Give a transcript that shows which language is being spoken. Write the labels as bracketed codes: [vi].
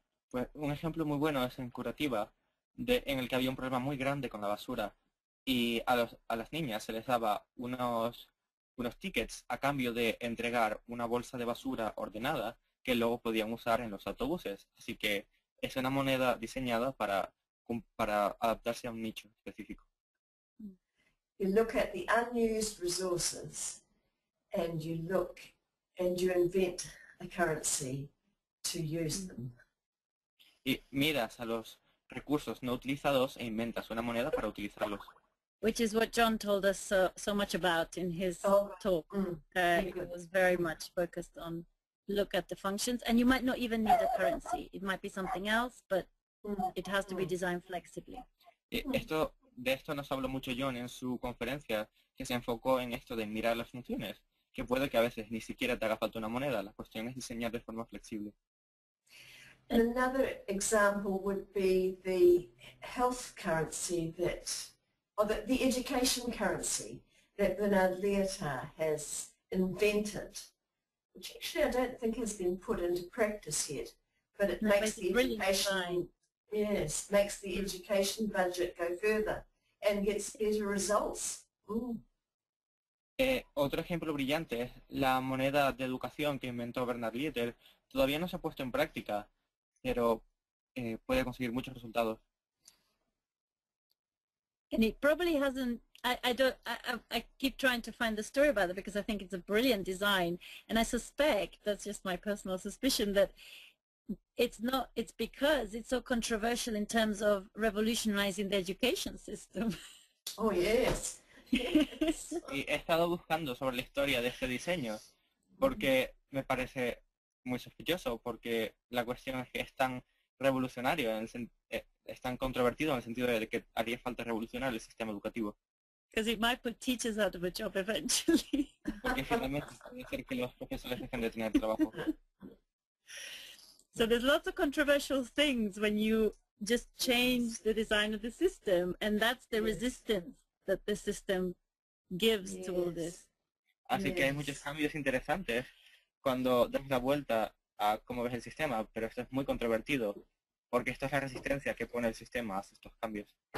[es] Pues un ejemplo muy bueno es en Curitiba, en el que había un problema muy grande con la basura y a las niñas se les daba unos tickets a cambio de entregar una bolsa de basura ordenada que luego podían usar en los autobuses. Así que es una moneda diseñada para adaptarse a un nicho específico. [en] You look at the unused resources and you look and you invent a currency to use them. [es] Y miras a los recursos no utilizados e inventas una moneda para utilizarlos. [en] Which is what John told us so much about in his talk. He was very much focused on look at the functions, and you might not even need a currency. It might be something else, but it has to be designed flexibly. [es] Y esto, de esto nos habló mucho John en su conferencia, que se enfocó en esto de mirar las funciones, que puede que a veces ni siquiera te haga falta una moneda. La cuestión es diseñar de forma flexible. [en] And another example would be the health currency that, or the education currency that Bernard Lyotard has invented, which actually I don't think has been put into practice yet, but it makes the education, yes, makes the education budget go further and gets better results. [es] Otro ejemplo brillante es la moneda de educación que inventó Bernard Lyotard. Todavía no se ha puesto en práctica, pero puede conseguir muchos resultados. [en] And it probably hasn't, I keep trying to find the story about it because I think it's a brilliant design, and I suspect, that's just my personal suspicion, that it's not, it's because it's so controversial in terms of revolutionizing the education system. Oh, yes. [es] Y he estado buscando sobre la historia de este diseño porque me parece muy sospechoso, porque la cuestión es que es tan revolucionario, es tan controvertido en el sentido de que haría falta revolucionar el sistema educativo. [en] Because it might put teachers out of a job eventually. [es] Porque finalmente puede ser que los profesores dejen de tener trabajo. [en] So there's lots of controversial things when you just change the design of the system, and that's the resistance that the system gives to all this. [es] Así que hay muchos cambios interesantes cuando das la vuelta a cómo ves el sistema, pero esto es muy controvertido porque esto es la resistencia que pone el sistema a estos cambios.